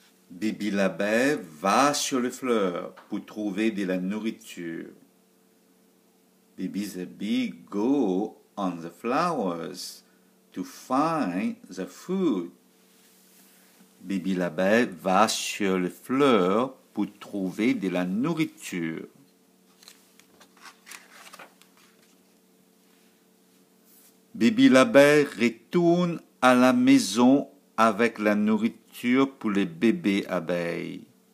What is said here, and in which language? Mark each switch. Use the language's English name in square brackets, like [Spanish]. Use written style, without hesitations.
[French] Bibi l'abeille va sur les fleurs pour trouver de la nourriture. [English] Bibi the bee go on the flowers to find the food. [French] Bibi l'abeille va sur les fleurs pour trouver de la nourriture. Bibi l'abeille retourne à la maison avec la nourriture pour les bébés abeilles.